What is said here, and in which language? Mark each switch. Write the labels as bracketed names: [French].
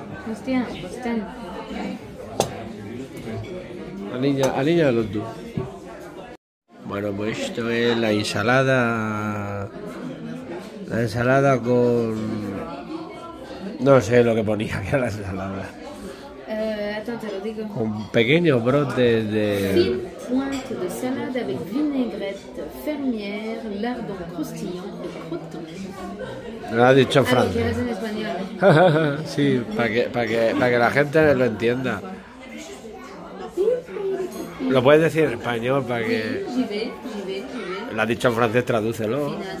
[Spanish] Hostia, hostia. Aliña los dos. Bueno, pues esto es la ensalada. La ensalada con. No sé lo que ponía que era la ensalada. Esto te lo digo. Con pequeños brotes de. [French] Pointe de salade avec vinaigrette, fermière, lardon croustillant [Spanish] y crotones. Lo ha dicho Franco. Que es en español. Sí, para que la gente lo entienda. Lo puedes decir en español para que. [French] J'y vais. [Spanish] Lo has dicho en francés, tradúcelo.